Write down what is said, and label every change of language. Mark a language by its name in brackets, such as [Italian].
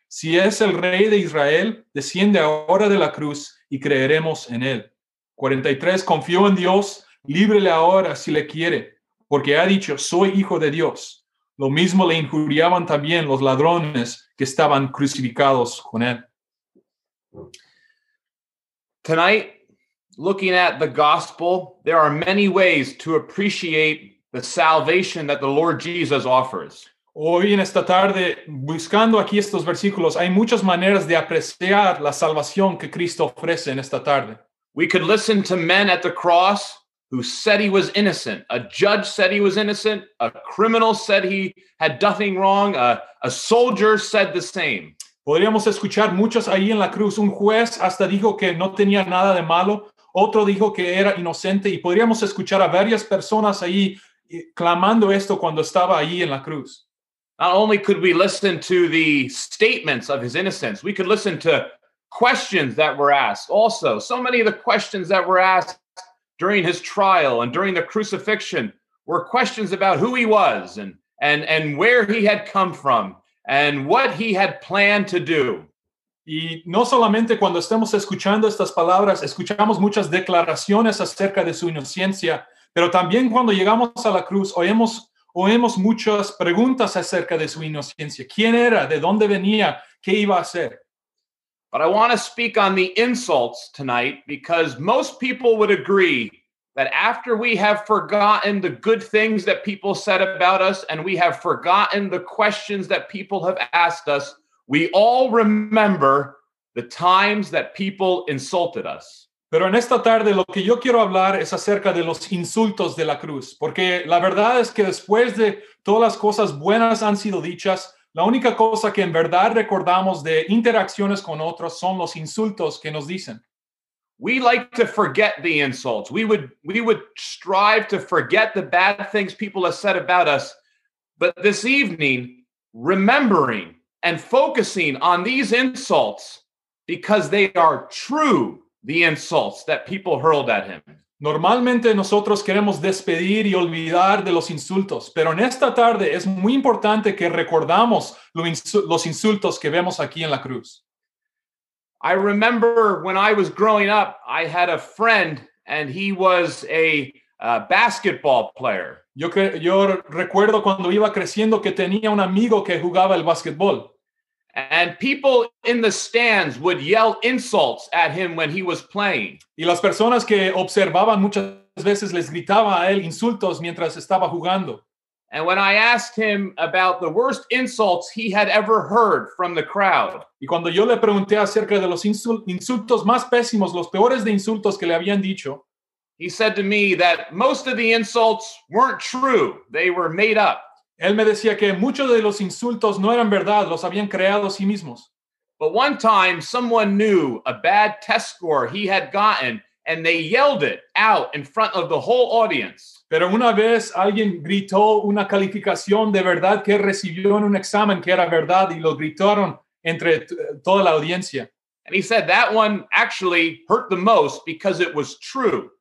[Spanish] Si es el rey de Israel, desciende ahora de la cruz y creeremos en él. 43. Confío en Dios, líbrele ahora si le quiere, porque ha dicho, soy hijo de Dios. Lo mismo le injuriaban también los ladrones que estaban crucificados con él. [English] Tonight, looking at the gospel, there are many ways to appreciate the salvation that the Lord Jesus offers. [Spanish] Hoy en esta tarde, buscando aquí estos versículos, hay muchas maneras de apreciar la salvación que Cristo ofrece en esta tarde. [English] We could listen to men at the cross who said he was innocent. A judge said he was innocent. A criminal said he had nothing wrong. A soldier said the same. [Spanish] Podríamos escuchar muchos ahí en la cruz. Un juez hasta dijo que no tenía nada de malo. Otro dijo que era inocente. Y podríamos escuchar a varias personas ahí clamando esto cuando estaba ahí en la cruz. [English] Not only could we listen to the statements of his innocence, we could listen to questions that were asked also. So many of the questions that were asked during his trial and during the crucifixion were questions about who he was and where he had come from and what he had planned to do. [Spanish] Y no solamente cuando estemos escuchando estas palabras, escuchamos muchas declaraciones acerca de su inocencia, pero también cuando llegamos a la cruz, oímos muchas preguntas acerca de su inocencia. ¿Quién era? ¿De dónde venía? ¿Qué iba a hacer? [English] But I want to speak on the insults tonight because most people would agree that after we have forgotten the good things that people said about us and we have forgotten the questions that people have asked us, we all remember the times that people insulted us. [Spanish] Pero en esta tarde lo que yo quiero hablar es acerca de los insultos de la cruz. Porque la verdad es que después de todas las cosas buenas han sido dichas, la única cosa que en verdad recordamos de interacciones con otros son los insultos que nos dicen. [English] We like to forget the insults. We would strive to forget the bad things people have said about us. But this evening, remembering and focusing on these insults because they are true, the insults that people hurled at him. [Spanish] Normalmente nosotros queremos despedir y olvidar de los insultos, pero en esta tarde es muy importante que recordamos los insultos que vemos aquí en la cruz. [English] I remember when I was growing up, I had a friend and he was a basketball player. [Spanish] Yo recuerdo cuando iba creciendo que tenía un amigo que jugaba el basketball. [English] And people in the stands would yell insults at him when he was playing. [Spanish] Y las personas que observaban muchas veces les gritaba a él insultos mientras estaba jugando. [English] And when I asked him about the worst insults he had ever heard from the crowd. [Spanish] Y cuando yo le pregunté acerca de los insultos más pésimos, los peores de insultos que le habían dicho. [English] He said to me that most of the insults weren't true. They were made up. [Spanish] Él me decía que muchos de los insultos no eran verdad, los habían creado a sí mismos. [English] But one time someone knew a bad test score he had gotten and they yelled it out in front of the whole audience. [Spanish] Pero una vez alguien gritó una calificación de verdad que recibió en un examen que era verdad y lo gritaron entre toda la audiencia. [English] And he said that one actually hurt the most because it was true.